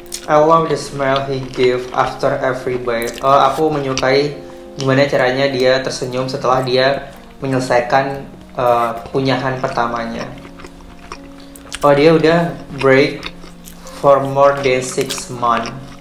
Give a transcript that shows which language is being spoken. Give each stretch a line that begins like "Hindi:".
English: I love the smell he give after every bite.
Indonesian: Aku menyukai gimana caranya dia tersenyum setelah dia menyelesaikan punyahan pertamanya.
English: Oh,
Indonesian: dia udah
English: break for more than 6 months.